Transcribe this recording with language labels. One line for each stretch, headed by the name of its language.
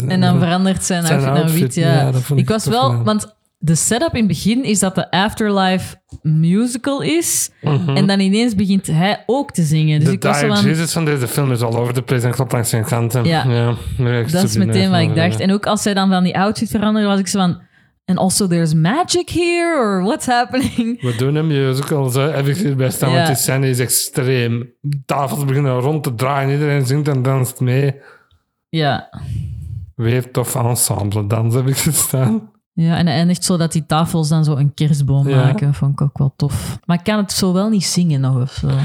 Dutch: En dan verandert zijn outfit naar wit, ja. Ik was wel... Man. Want de setup in het begin is dat de Afterlife musical is. Mm-hmm. En dan ineens begint hij ook te zingen. Dus de ik was Die van, Jesus van deze film is al over de place en klopt langs zijn kanten. Ja, ja dat is meteen wat ik dacht. En ook als zij dan van die outfit veranderen, was ik zo van...
English: And also there's magic here, or what's happening?
Dutch: We doen een musical, hè. Heb ik hierbij staan, want die scène is extreem. Tafels beginnen rond te draaien, iedereen zingt en danst mee. Ja. Weer tof ensemble dans heb ik gestaan. Ja, en eindigt zo dat die tafels dan zo een kerstboom maken. Vond ik ook wel tof. Maar ik kan het zo wel niet zingen nog of zo.